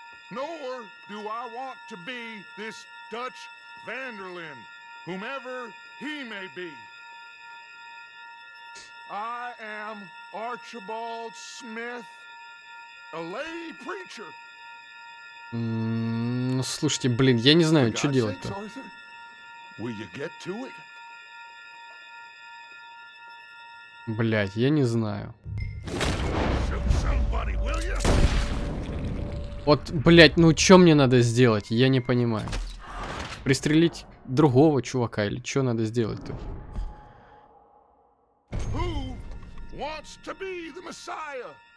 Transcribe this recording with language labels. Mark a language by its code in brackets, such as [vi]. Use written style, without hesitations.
[en] nor do I want to be this Dutch Vanderlyn, whomever he may be. I am Archibald Smith, a lay preacher. [ru] Ну, слушайте, блин, я не знаю, что делать-то. [en] Will you get to it? [ru] Блять, я не знаю. Вот, блять, ну чё мне надо сделать? Я не понимаю. Пристрелить другого чувака или чё надо сделать-то? [en] Who wants to be the Messiah?